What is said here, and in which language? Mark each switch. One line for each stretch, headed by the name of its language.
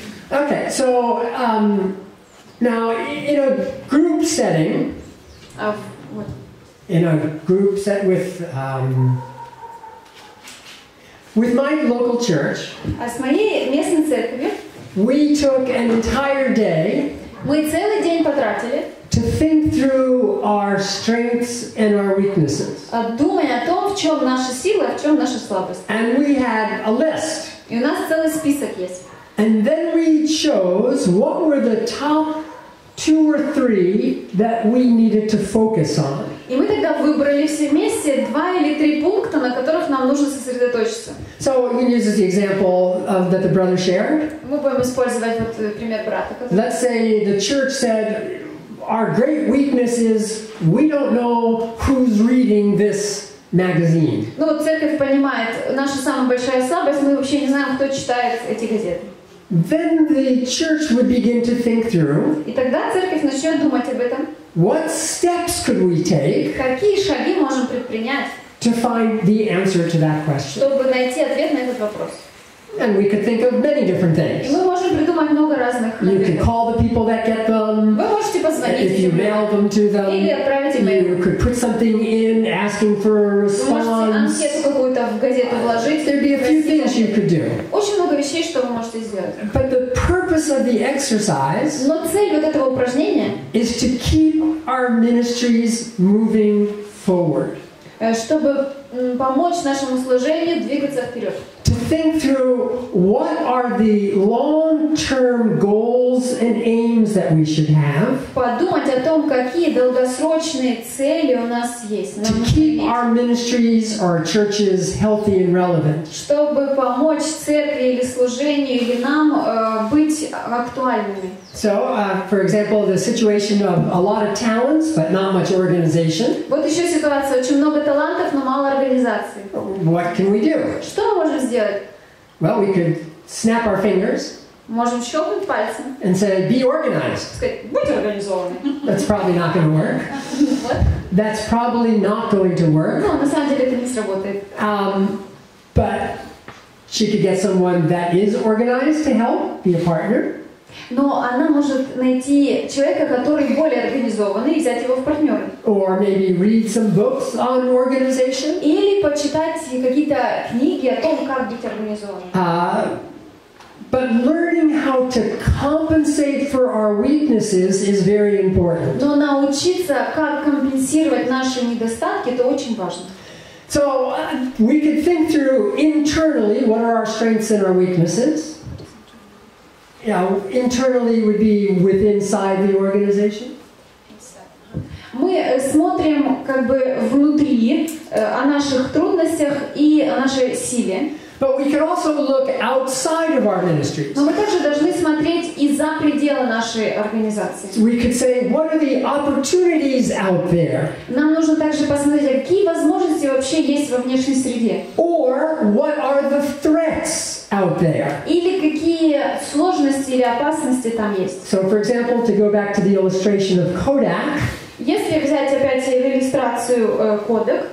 English: Okay, so, now, in a group setting, in a group set with, with my local church, we took an entire day to think through our strengths and our weaknesses.
Russian: Думая о том, в чем наша сила, в чем наша слабость.
English: And we had a list.
Russian: И у нас целый список есть.
English: And then we chose what were the top two or three that we needed to focus on.
Russian: И мы тогда выбрали все вместе два или три пункта, на которых нам нужно сосредоточиться.
English: So we use the example of, that the brother shared.
Russian: Мы будем использовать вот пример брата. Который...
English: Let's say the church said, our great weakness is we don't know who's reading this magazine.
Russian: Ну вот церковь понимает, наша самая большая слабость, мы вообще не знаем, кто читает эти газеты.
English: Then the church would begin to think through.
Russian: И тогда церковь начнет думать об этом.
English: What steps could we take?
Russian: Какие шаги можем предпринять?
English: To find the answer to that question.
Russian: Чтобы найти ответ на этот вопрос.
English: And we could think of many different things.
Russian: И мы можем придумать много разных.
English: You can call the people that get them.
Russian: Вы можете позвонить.
English: If you mail them to them.
Russian: Или отправить email.
English: You could put something in asking for a response.
Russian: Вы можете анкету какую-то в газету вложить.
English: There'd be a few things you could do.
Russian: Очень много вещей, что вы можете сделать.
English: But the purpose of the exercise.
Russian: Но цель вот этого упражнения.
English: Is to keep our ministries moving forward.
Russian: чтобы помочь нашему служению двигаться вперед.
English: To think through what are the long-term goals and aims that we should have.
Russian: Подумать о том, какие долгосрочные цели у нас есть.
English: To keep our ministries, our churches healthy and relevant.
Russian: Чтобы помочь церкви или служению или нам быть актуальными.
English: So, for example, the situation of a lot of talents, but not much organization.
Russian: Вот еще ситуация: очень много талантов, но мало организации.
English: What can we do?
Russian: Что мы можем сделать?
English: Well, we could snap our fingers.
Russian: Можем щелкнуть пальцем.
English: And say, be organized.
Russian: Сказать, будь организованным.
English: That's probably not going to work. What? That's probably not going to work.
Russian: Ну, на самом деле это не сработает.
English: But she could get someone that is organized to help, be a partner.
Russian: Но она может найти человека, который более организованный, и взять его в партнеры.
English: Or maybe read some books on organization.
Russian: Или почитать какие-то книги о том, как быть организованным.
English: But learning how to compensate for our weaknesses is very important.
Russian: Но научиться, как компенсировать наши недостатки, это очень важно.
English: So we could think through internally what are our strengths and our weaknesses. Yeah, internally would be with inside the organization.
Russian: Мы смотрим как бы внутри о наших трудностях и о нашей силе.
English: But we can also look outside of our ministries.
Russian: Но мы также должны смотреть и за пределы нашей организации.
English: We could say, what are the opportunities out there?
Russian: Нам нужно также посмотреть, какие возможности вообще есть во внешней среде.
English: Or what are the threats out there?
Russian: Или какие сложности или опасности там есть?
English: So, for example, to go back to the illustration of Kodak.
Russian: Если взять опять иллюстрацию Kodak.